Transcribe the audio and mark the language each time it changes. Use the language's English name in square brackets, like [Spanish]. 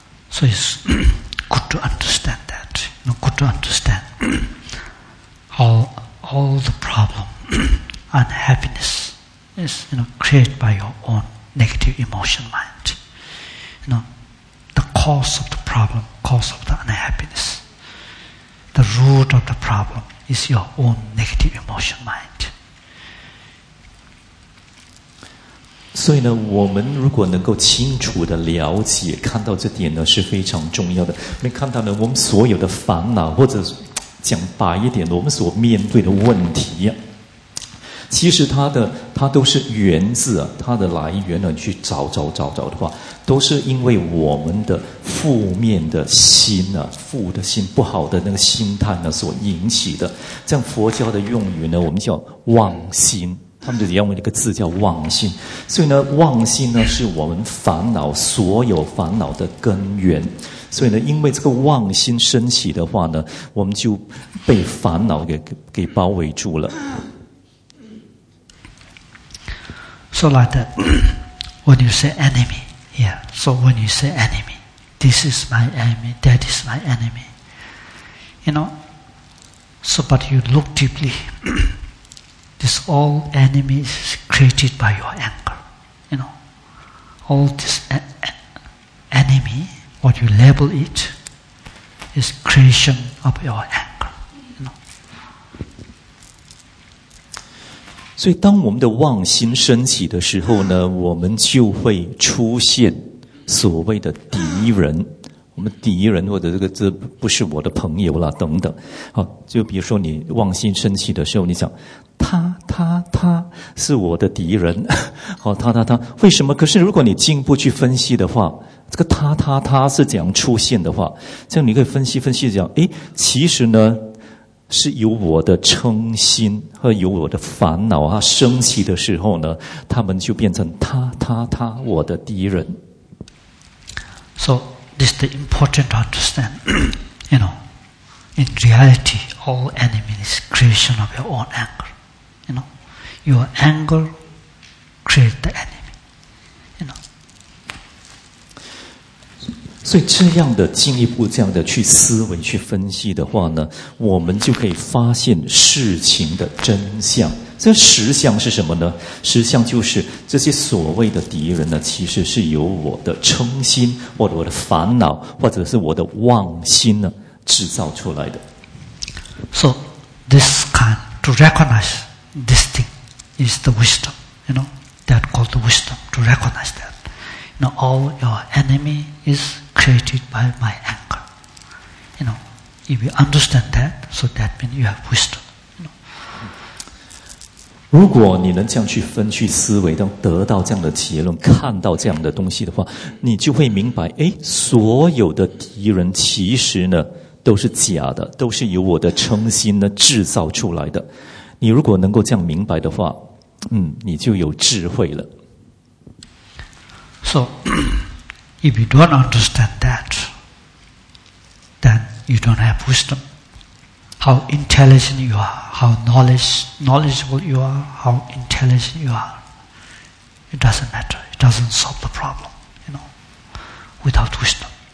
[English] So it's good to understand that, you know, good to understand all the problem, unhappiness is, you know, created by your own negative emotion mind. the cause of the problem, cause of the unhappiness. The root of the problem is your own negative emotion mind. [Chinese] 所以呢，我们如果能够清楚的了解，看到这点呢，是非常重要的。你看到呢，我们所有的烦恼，或者讲白一点，我们所面对的问题，其实它都是源自啊，它的来源呢，去找的话，都是因为我们的负面的心啊，负的心，不好的那个心态呢，所引起的。像佛教的用语呢，我们叫妄心。他们就用了一个字叫妄心，所以呢，妄心呢是我们烦恼所有烦恼的根源。所以呢，因为这个妄心升起的话呢，我们就被烦恼给包围住了。 [English] So like that, when you say enemy, yeah. So when you say enemy, this is my enemy, that is my enemy. You know. So, but you look deeply. This all enemy is created by your anger. You know, all this enemy, what you label it, is creation of your anger. You know. [Chinese] 所以当我们的妄心升起的时候呢，我们就会出现所谓的敌人。我们敌人或者这个这不是我的朋友啦等等。好，就比如说你妄心升起的时候，你想他是我的敌人。好，他为什么？可是如果你进一步去分析的话，这个他是怎样出现的话，这样你可以分析讲，诶，其实呢是由我的嗔心和由我的烦恼啊升起的时候呢，他们就变成他我的敌人。 [English] So,This is the important to understand. You know, in reality, all enemy is creation of your own anger. You know, your anger creates the enemy. You know. [Chinese] 所以这样的进一步这样的去思维去分析的话呢，我们就可以发现事情的真相。这实相是什么呢？实相就是这些所谓的敌人呢，其实是由我的嗔心或者我的烦恼或者是我的妄心呢制造出来的。 [English] So, this kind, to recognize this thing is the wisdom, you know, that called the wisdom, to recognize that. You know, all your enemy is created by my anger. You know, if you understand that, so that means you have wisdom. [Chinese] 如果你能这样去分去思维，能得到这样的结论，看到这样的东西的话，你就会明白，诶，所有的敌人其实呢都是假的，都是由我的嗔心呢制造出来的。你如果能够这样明白的话，你就有智慧了。 [English] So, if you don't understand that, then you don't have wisdom. How intelligent you are, how knowledgeable you are, how intelligent you are, it doesn't matter, it doesn't solve the problem, you know, without wisdom.